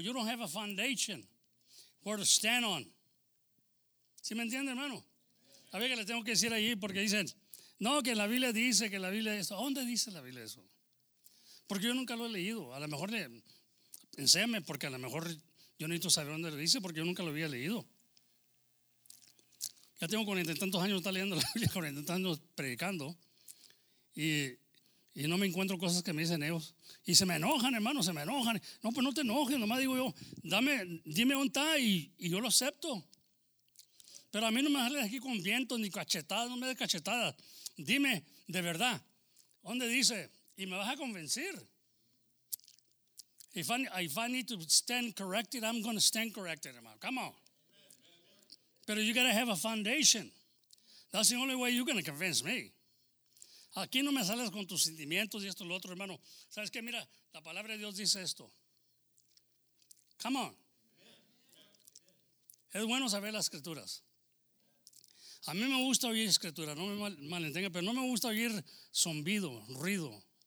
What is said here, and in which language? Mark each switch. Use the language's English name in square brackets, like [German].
[English] You don't have a foundation where to stand on. [Spanish] ¿Sí me entiende, hermano? A ver, que le tengo que decir ahí porque dicen, no, que la Biblia dice, que la Biblia eso. ¿Dónde dice la Biblia eso? Porque yo nunca lo he leído. A lo mejor, enséñame, porque a lo mejor yo necesito saber dónde lo dice porque yo nunca lo había leído. Ya tengo 40 y tantos años de estar leyendo la Biblia, 40 y tantos años predicando, y no me encuentro cosas que me dicen ellos. Y se me enojan, hermano, se me enojan. No, pues no te enojes, nomás digo yo, dime dónde está y yo lo acepto. Pero a mí no me sale de aquí con viento ni cachetadas, no me des cachetadas. Dime de verdad, ¿dónde dice? Y me vas a convencer. [English] If I need to stand corrected, I'm going to stand corrected, hermano. Come on. Pero you gotta have a foundation. That's the only way you're gonna convince me. [Spanish] Aquí no me sales con tus sentimientos y esto y lo otro, hermano. ¿Sabes qué? Mira, la palabra de Dios dice esto. [English] Come on. [Spanish] Es bueno saber las escrituras. A mí me gusta oír escritura, no me malentenga, pero no me gusta oír zumbido, ruido.